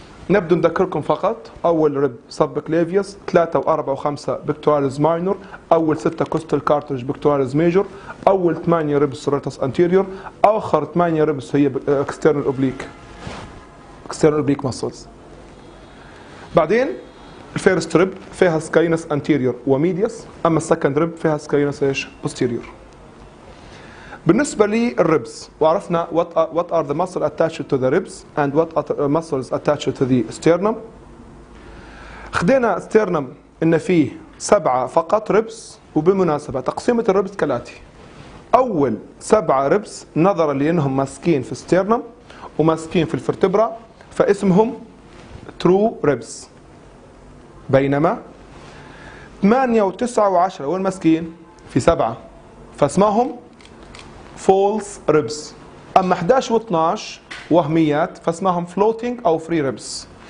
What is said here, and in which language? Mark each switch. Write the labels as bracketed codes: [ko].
[ar] نبدو نذكركم فقط اول ريب سب كليفيس، 3 و4 و5 بكتوريز ماينور، اول 6 كوستال كارتريج بكتوريز ميجور، اول 8 ريب سيريتس انتيريور، اخر 8 ريب هي اكسترنال اوبليك، اكسترنال اوبليك ماسلز. بعدين الفيرست ريب فيها سكالينس انتيريور وميديوس، اما السكند ريب فيها سكالينس ايش بوستيريور. بالنسبة للريبس وعرفنا [en] what are the muscles attached to the ribs and what are the muscles attached to the sternum. [ar] خدينا sternum ان فيه سبعة فقط ريبس، وبالمناسبة تقسيمة الريبس كالاتي، اول سبعة ريبس نظرا لانهم ماسكين في sternum وماسكين في الفرتبرا فاسمهم true ribs، بينما 8 و 9 و 10 وين ماسكين في سبعة فاسمهم false ribs، اما 11 و 12 وهميات فاسمهم floating او free ribs.